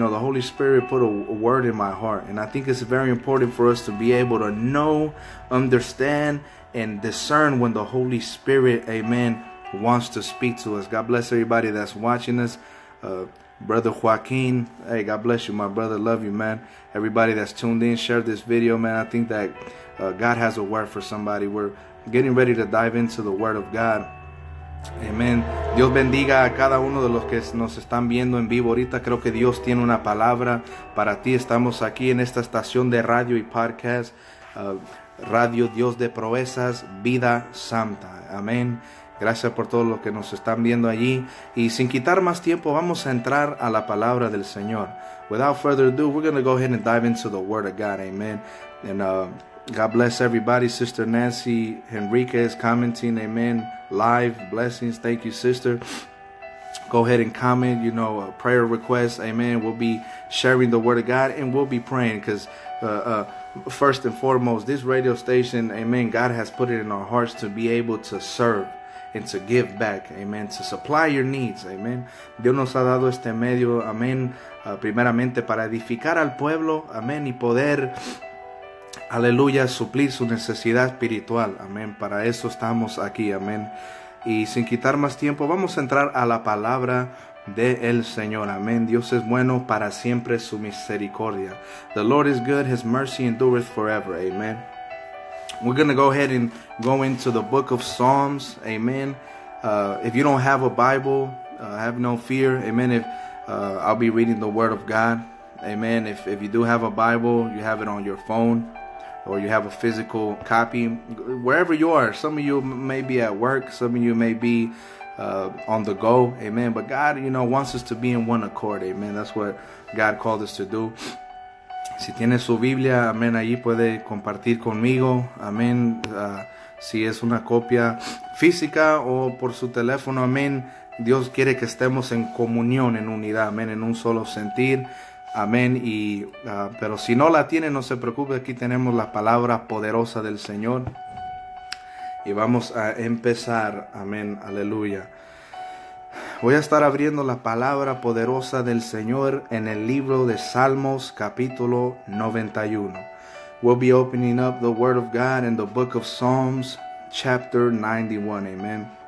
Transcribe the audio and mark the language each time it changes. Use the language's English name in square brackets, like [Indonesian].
[English] You know, the Holy Spirit put a word in my heart. And I think it's very important for us to be able to know, understand, and discern when the Holy Spirit, amen, wants to speak to us. God bless everybody that's watching us. Brother Joaquin, hey, God bless you, my brother. Love you, man. Everybody that's tuned in, share this video, man. I think that God has a word for somebody. We're getting ready to dive into the Word of God. Amen. [Spanish] Dios bendiga a cada uno de los que nos están viendo en vivo ahorita. Creo que Dios tiene una palabra para ti. Estamos aquí en esta estación de radio y podcast. Radio Dios de Proezas, Vida Santa. Amén. Gracias por todos los que nos están viendo allí. Y sin quitar más tiempo, vamos a entrar a la palabra del Señor. [English] Without further ado, we're going to go ahead and dive into the Word of God. Amen. And God bless everybody. Sister Nancy Henriquez commenting. Amen. Live blessings. Thank you, sister. Go ahead and comment, you know, a prayer request. Amen. We'll be sharing the Word of God and we'll be praying because first and foremost, this radio station, amen, God has put it in our hearts to be able to serve and to give back, amen, to supply your needs, amen. [Spanish] Dios nos ha dado este medio, amen, primeramente para edificar al pueblo, amen, y poder, aleluya, suplir su necesidad espiritual, amen. Para eso estamos aquí, amen. Y sin quitar más tiempo, vamos a entrar a la palabra del Señor, amen. Dios es bueno para siempre, su misericordia. [English] The Lord is good, his mercy endureth forever, amen. We're going to go ahead and go into the book of Psalms, amen. If you don't have a Bible, have no fear, amen. I'll be reading the word of God, amen. If you do have a Bible, you have it on your phone, or you have a physical copy, wherever you are, some of you may be at work, some of you may be on the go, amen. But God, you know, wants us to be in one accord, amen. That's what God called us to do. [Spanish] Si tiene su Biblia, amén, allí puede compartir conmigo, amén. Si es una copia física o por su teléfono, amén. Dios quiere que estemos en comunión, en unidad, amén, en un solo sentir, amén. Y pero si no la tiene, no se preocupe, aquí tenemos la palabra poderosa del Señor. Y vamos a empezar, amén, aleluya. Voy a estar abriendo la palabra poderosa del Señor en el libro de Salmos, capítulo 91. [English] We'll be opening up the word of God in the book of Psalms, chapter 91, amen.